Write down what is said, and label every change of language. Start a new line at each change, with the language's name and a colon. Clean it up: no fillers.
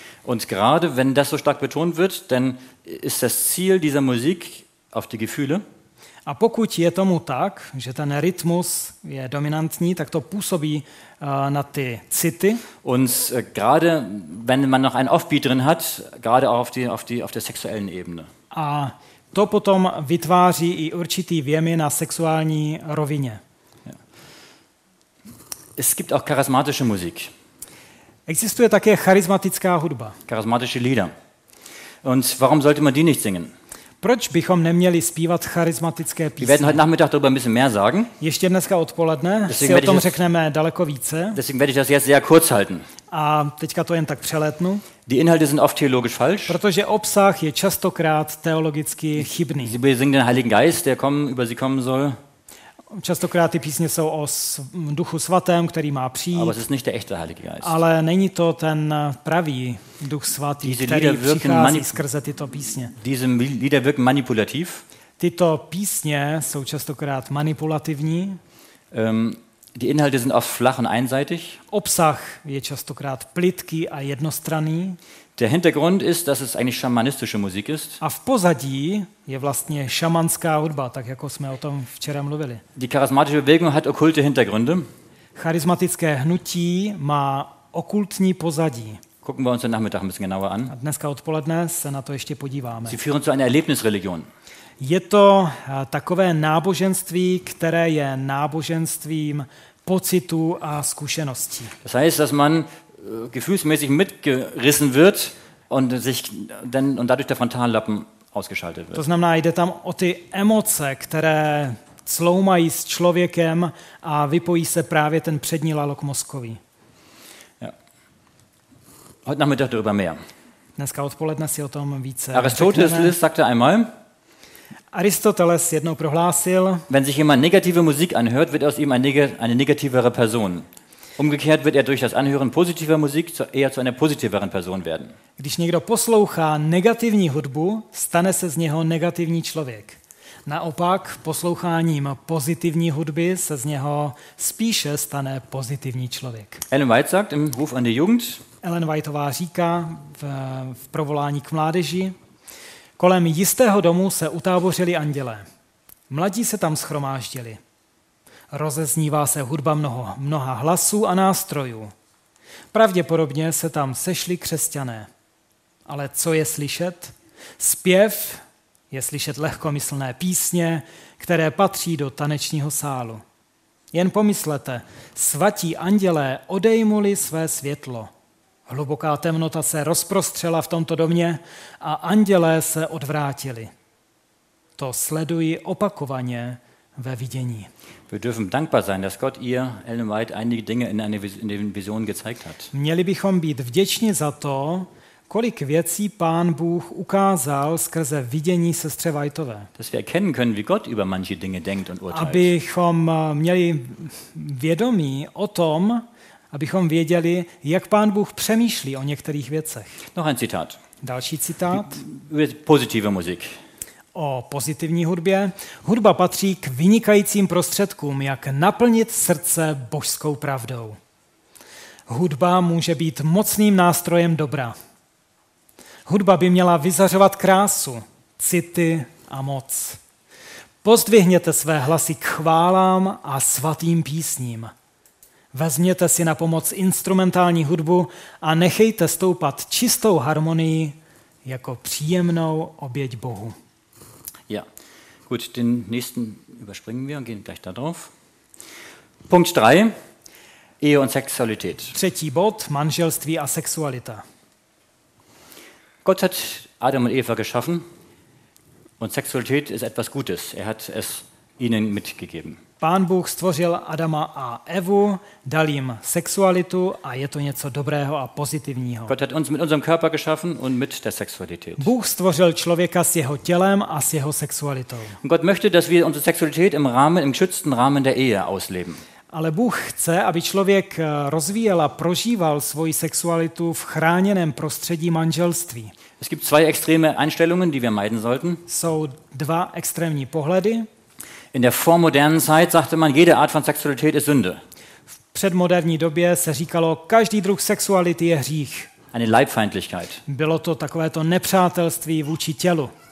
German: Und gerade wenn das so stark betont wird, dann ist das Ziel dieser Musik auf die Gefühle.
Czech: A pokud je tomu tak, že ten rytmus je dominantní, tak to působí na ty city.
German: Und gerade wenn man noch einen Offbeat drin hat, gerade auch auf der sexuellen Ebene.
Czech: A to potom vytváří i určitý vjemy na sexuální rovině.
German: Es gibt auch charismatische Musik.
Czech: Existuje také charismatická hudba.
German: Charismatische Lieder. Und warum sollte man die nicht singen?
Czech: Proč bychom neměli zpívat charismatické písně?
German: Wir werden heute Nachmittag darüber ein bisschen mehr sagen.
Czech: Ještě dneska odpoledne si o tom řekneme daleko více.
German: Deswegen werde ich das jetzt sehr kurz halten.
Czech: A teďka to jen tak přelétnu.
German: Die Inhalte sind oft theologisch falsch.
Czech: Protože obsah je častokrát teologicky chybný.
German: Sie singen den Heiligen Geist, der kommen, über sie kommen soll.
Czech: Častokrát ty písně jsou o Duchu svatém, který má přijít.
German: Aber es ist nicht der echte Heilige Geist.
Czech: Ale není to ten pravý Duch svatý,
German: diese
Czech: který přichází skrze tyto písně.
German: Diese Lieder wirken manipulativ.
Czech: Tyto písně jsou častokrát manipulativní.
German: Die Inhalte sind oft flach und einseitig.
Czech: Obsah je častokrát plitký a jednostranný.
German: Der Hintergrund ist, dass es eigentlich schamanistische Musik ist.
Czech: A v pozadí je vlastně šamanská hudba, tak jako jsme o tom včera mluvili.
German: Die charismatische Bewegung hat okkulte Hintergründe.
Czech: Charismatické hnutí má okkultní pozadí.
German: Gucken wir uns den Nachmittag ein bisschen genauer an.
Czech: A dneska odpoledne se na to ještě podíváme.
German: Sie führen zu einer Erlebnisreligion.
Czech: Je to takové náboženství, které je náboženstvím pocitu a zkušeností.
German: Das heißt, dass man gefühlsmäßig mitgerissen wird und sich dann und dadurch der Frontallappen ausgeschaltet wird.
Czech: To znamená, jde tam o ty emoce, které cloumají s člověkem a vypojí se právě ten přední lalok mozkový.
German: Ja. Heute Nachmittag darüber mehr.
Czech: Dneska odpoledne si o tom více.
German: Aristoteles sagte einmal.
Czech: Aristoteles jednou prohlásil.
German: Wenn sich jemand negative Musik anhört, wird aus ihm eine negativere Person. Umgekehrt wird er durch das Anhören positiver Musik eher zu einer positiveren Person werden.
Czech: Když někdo poslouchá negativní hudbu, stane se z něho negativní člověk. Naopak, posloucháním pozitivní hudby se z něho spíše stane pozitivní člověk.
German: Ellen White sagt im Ruf an die Jugend.
Czech: Ellen Whiteová říká v provolání k mládeži. Kolem jistého domu se utábořili andělé. Mladí se tam shromáždili. Rozeznívá se hudba mnoha hlasů a nástrojů. Pravděpodobně se tam sešli křesťané. Ale co je slyšet? Zpěv je slyšet lehkomyslné písně, které patří do tanečního sálu. Jen pomyslete, svatí andělé odejmuli své světlo. Hluboká temnota se rozprostřela v tomto domě a andělé se odvrátili. To sleduji opakovaně ve vidění.
German: Wir dürfen dankbar sein, dass Gott ihr Ellen White einige Dinge in den Visionen gezeigt hat.
Czech: Měli bychom být vděční za to, kolik věcí Pán Bůh ukázal skrze vidění sestře Whiteové.
German: Dass wir erkennen können, wie Gott über manche Dinge denkt und urteilt.
Czech: Abychom měli vědomí o tom, abychom věděli, jak Pán Bůh přemýšlí o některých věcech.
German: Noch ein Zitat.
Czech: Další citát.
German: Pozitive Musik.
Czech: O pozitivní hudbě. Hudba patří k vynikajícím prostředkům, jak naplnit srdce božskou pravdou. Hudba může být mocným nástrojem dobra. Hudba by měla vyzařovat krásu, city a moc. Pozdvihněte své hlasy k chválám a svatým písním. Vezměte si na pomoc instrumentální hudbu a nechejte stoupat čistou harmonii jako příjemnou oběť Bohu.
German: Ja, gut, den nächsten überspringen wir und gehen gleich da drauf. Punkt 3, Ehe und Sexualität.
Czech: Třetí bod, manželství a sexualita.
German: Gott hat Adam und Eva geschaffen und Sexualität ist etwas Gutes. Er hat es ihnen mitgegeben.
Czech: Pán Bůh stvořil Adama a Evu, dal jim sexualitu a je to něco dobrého a pozitivního.
German: Gott hat uns mit unserem Körper geschaffen und mit der Sexualität.
Czech: Bůh stvořil člověka s jeho tělem a s jeho sexualitou.
German: Und Gott möchte, dass wir unsere Sexualität im geschützten Rahmen der Ehe ausleben.
Czech: Ale Bůh chce, aby člověk rozvíjel a prožíval svoji sexualitu v chráněném prostředí manželství.
German: Es gibt zwei extreme Einstellungen, die wir meiden sollten.
Czech: Jsou dva extrémní pohledy.
German: In der vormodernen Zeit sagte man, jede Art von Sexualität ist Sünde.
Czech: V předmoderní době se říkalo, každý druh sexuality je hřích.
German: Eine Leibfeindlichkeit.
Czech: Bylo to takové to nepřátelství vůči tělu.